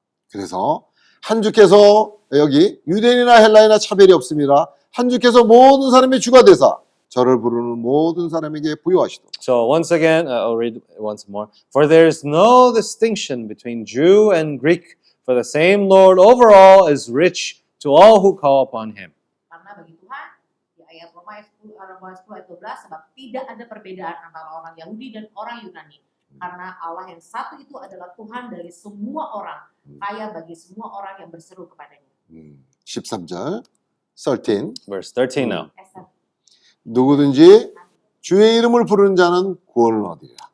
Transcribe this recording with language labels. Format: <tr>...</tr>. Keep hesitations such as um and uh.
<ko>그래서 한 주께서 여기 유대인이나 헬라이나 차별이 없습니다. 한 주께서 모든 사람의 주가 되사 저를 부르는 모든 사람에게 부여하시도.</ko> <en>So once again, I'll read once more. For there is no distinction between Jew and Greek, for the same Lord over all is rich to all who call upon Him.</en> <ko>그러나</ko> <id>bagi Tuhan di ayat Roma 10 ayat 11 sebab tidak ada perbedaan antara orang Yahudi dan orang Yunani. karena Allah yang satu itu adalah Tuhan dari semua orang, kaya bagi semua orang yang berseru kepadanya.</id> <ko>13절,</ko> <en>13. Verse 13 now. Yes,</en> <ko>누구든지 주의 이름을 부르는 자는 구원을 얻으리라.</ko>